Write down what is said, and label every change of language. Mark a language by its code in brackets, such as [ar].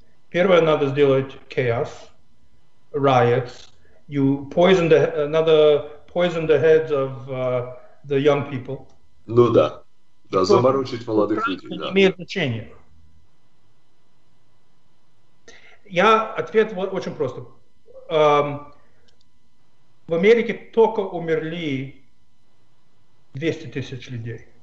[ru] Первое, надо сделать chaos, riots. [en] You poison the, [ru] надо [en] poison the heads of the young people. [ru] Ну да. Да, заморочить молодых людей. Да. Не имеет значения. Я, ответ очень просто. В Америке только умерли 200 тысяч людей.